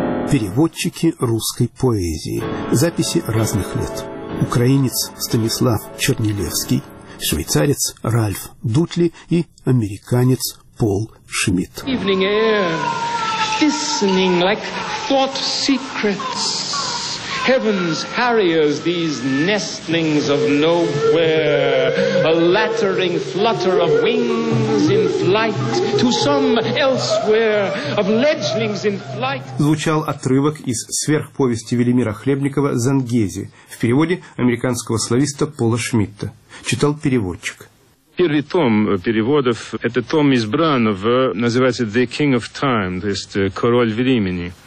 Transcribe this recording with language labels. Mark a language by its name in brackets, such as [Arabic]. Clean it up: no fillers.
[Russian] Переводчики русской поэзии. Записи разных лет. Украинец Станислав Чернилевский, швейцарец Ральф Дутли и американец Пол Шмидт. [English] Evening air, listening like thought secrets. Heaven's harriers, these nestlings of nowhere, a lattering flutter of wings in flight to some elsewhere, of ledgelings in flight. [Russian] Звучал отрывок из сверхповести Велимира Хлебникова «Зангези» в переводе американского слависта Пола Шмидта. Читал переводчик. Первый том переводов, это том избранного, называется «The King of Time», то есть «Король времени».